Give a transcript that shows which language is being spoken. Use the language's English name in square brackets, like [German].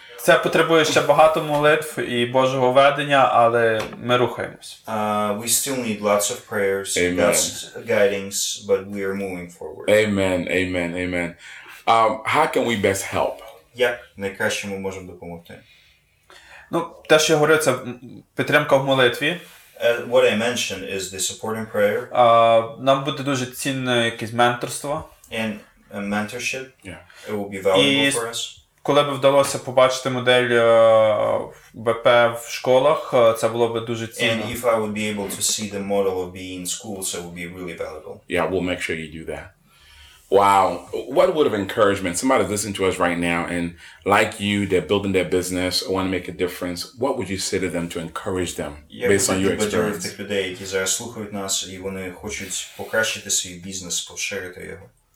[Ukrainian] Це потребує ще багато молитв і Божого ведення, але ми рухаємось. [English] We still need lots of prayers, lots of guidings, but we are moving forward. Amen, amen, amen. How can we best help? [Ukrainian] Як найкраще ми можемо допомогти? Ну, те, що я говорю, це підтримка в молитві. [English] What I mentioned is the support in prayer. [Ukrainian] Нам буде дуже цінне якесь менторство. [English] And a mentorship. Yeah. It will be valuable for us. [Ukrainian] Коли б вдалося побачити модель БП в школах, це було б дуже цінно. [English] And if I would be able to see the model of being in schools, it would be really valuable. Yeah, we'll make sure you do that. Wow. What would have encouragement? Somebody listening to us right now and like you, they're building their business, want to make a difference. What would you say to them to encourage them based on your experience? [Ukrainian] Тих людей, які зараз слухають нас, і вони хочуть покращити свій бізнес, поширити його.